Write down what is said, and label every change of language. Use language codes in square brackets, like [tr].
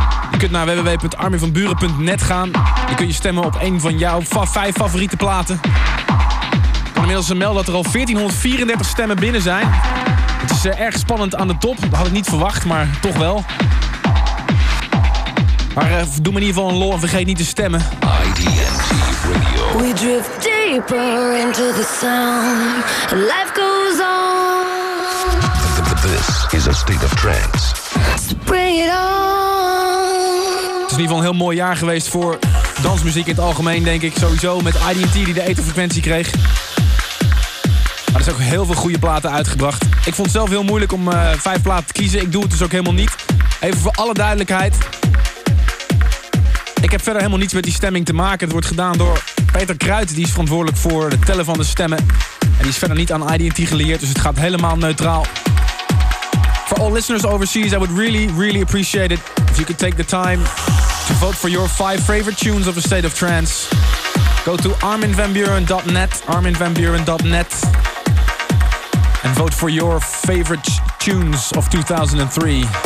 [nl] Je kunt naar www.armievanburen.net gaan. Dan kun je stemmen op een van jouw vijf favoriete platen. Ik kan inmiddels melden dat er al 1434 stemmen binnen zijn. Het is erg spannend aan de top. Dat had ik niet verwacht, maar toch wel. Maar doe me in ieder geval een lol en vergeet niet te stemmen. IDMT Radio. [en] We drift deeper into the sound. Life goes on. This is a state of trance. Spring it on. [nl] Het is in ieder geval een heel mooi jaar geweest voor dansmuziek in het algemeen, denk ik. Sowieso met IDMT die de etherfrequentie kreeg. Maar er zijn ook heel veel goede platen uitgebracht. Ik vond het zelf heel moeilijk om vijf platen te kiezen. Ik doe het dus ook helemaal niet. Even voor alle duidelijkheid. Ik heb verder helemaal niets met die stemming te maken. Het wordt gedaan door Peter Kruid. Die is verantwoordelijk voor het tellen van de stemmen. En die is verder niet aan IDMT geleerd. Dus het gaat helemaal neutraal. [en] For all listeners overseas, I would really, really appreciate it if you could take the time to vote for your five favorite tunes of the State of Trance. Go to arminvanburen.net. arminvanburen.net. And vote for your favorite tunes of 2003.